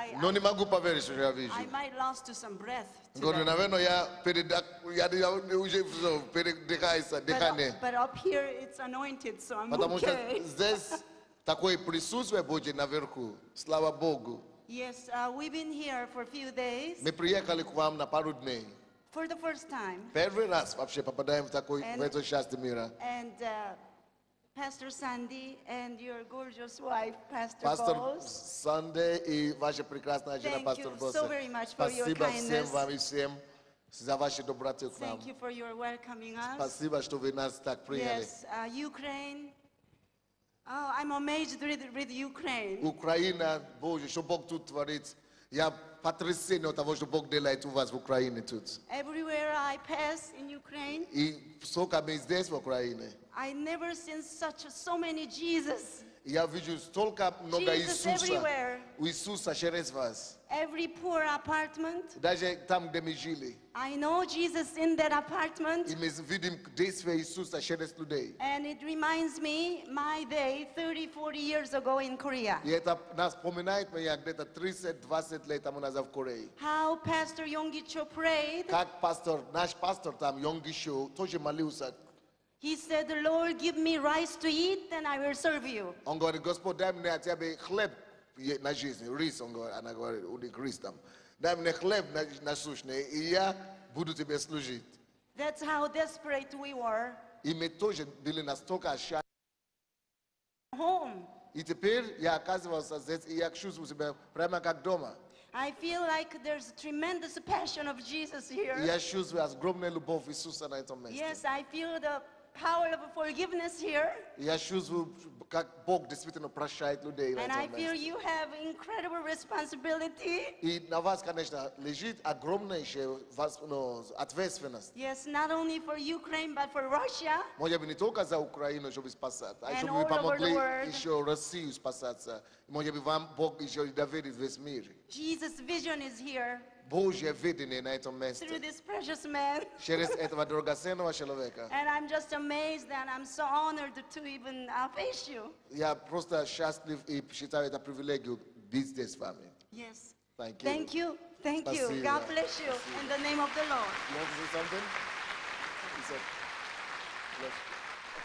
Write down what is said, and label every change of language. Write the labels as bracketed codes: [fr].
[ru] Но не могу поверить, что я вижу. [en] I might lose to some breath. [ru] Говорю, наверное, я передыхание. [en] But up here it's anointed, so I'm [ru] Потому Потому что здесь такое присутствие Божье наверху. Слава Богу. [en] Yes, we've been here for a few days. [ru] Мы приехали к вам на пару дней. [en] For the first time. [ru] Первый раз вообще попадаем в такой в эту часть мира. [en] And Pastor Sandy and your gorgeous wife, Pastor [ru] Boss. Sandy и ваша прекрасная жена, Pastor Boss. [en] Thank you so very much for your kindness. [ru] Спасибо всем вам и всем за вашу доброту к нам. [en] Thank you for your welcoming us. [ru] Спасибо, что вы нас так приняли. [en] Yes, Ukraine. Oh, I'm amazed with Ukraine. [ru] Украина, Боже, что Бог тут творит. Я потрясен от того, что Бог делает у вас в Украине тут. [en] Everywhere I pass in Ukraine. [ru] И сколько мы здесь в Украине. [en] I never seen such so many Jesus. [ru] Я вижу столько много Иисуса. [en] Jesus everywhere. [ru] У Иисуса через вас. [en] Every poor apartment. [ru] Даже там, где мы жили. [en] I know Jesus in that apartment. [ru] И мы видим действие Иисуса через людей. [en] And it reminds me my day 30, 40 years ago in Korea. [ru] И это нас вспоминает меня где-то 30-20 лет тому назад в Корее. [en] How Pastor Yonggi-cho prayed. [ru] Как пастор, наш пастор там, Yonggi-cho, тоже молился. [en] He said, Lord, give me rice to eat, then I will serve you. [ru] Он говорит, Господь, дай мне тебе хлеб на жизнь, рис, он говорит, она говорит, у них рис там. Дай мне хлеб на сушный, и я буду тебе служить. [en] That's how desperate we were. [ru] И мы тоже были настолько отчаянны. [en] Home. [ru] И теперь я оказывался здесь, и я чувствую себя прямо как дома. [en] I feel like there's a tremendous passion of Jesus here. [ru] Я чувствую огромную любовь Иисуса на этом месте. [en] Yes, I feel the power of forgiveness here. [ru] Я чувствую, как Бог действительно прощает людей. [en] And I feel you have incredible responsibility. [ru] И на вас, конечно, лежит огромная ответственность. [en] Yes, not only for Ukraine, but for Russia. [ru] Может быть, не только за Украину, чтобы спасать, а чтобы вы помогли еще Россию спасаться. Может быть, вам Бог еще доверит весь мир. [en] Jesus' vision is here. [ru] Божье видение на этом месте. [en] Through this precious man. [ru] Через этого драгоценного человека. [en] And I'm just amazed and I'm so honored to even face you. [ru] Я просто счастлив и считаю это привилегию быть здесь с вами. [en] Yes. Thank you. Thank you. Thank you. [ru] Спасибо. [en] God bless you. Спасибо. In the name of the Lord. You want to say something? He said, bless you.